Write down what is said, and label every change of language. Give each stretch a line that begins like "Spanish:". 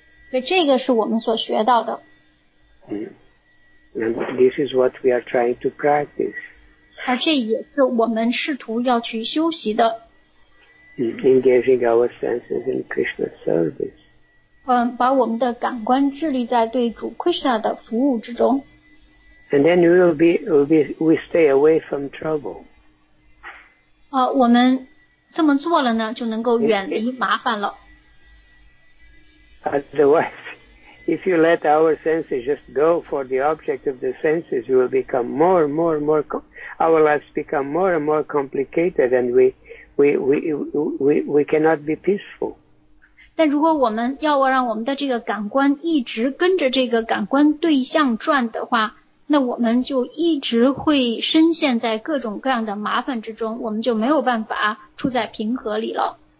Chinese: 所以这个是我们所学到的、
English: And this is what we are trying to practice.
Chinese: 而这也是我们试图要去修习的。
English: Engaging our senses in Krishna's service.
Chinese: 把我们的感官致力在对主 Krishna 的服务之中。
English: And then we stay away from trouble.
Chinese: 我们这么做了呢，就能够远离麻烦了。
English: Otherwise, if you let our senses just go for the object of the senses, we will become more and more and more, our lives become more and more complicated and we cannot be peaceful.
Chinese: 但如果我们要让我们的这个感官一直跟着这个感官对象转的话，那我们就一直会深陷在各种各样的麻烦之中，我们就没有办法处在平和里了。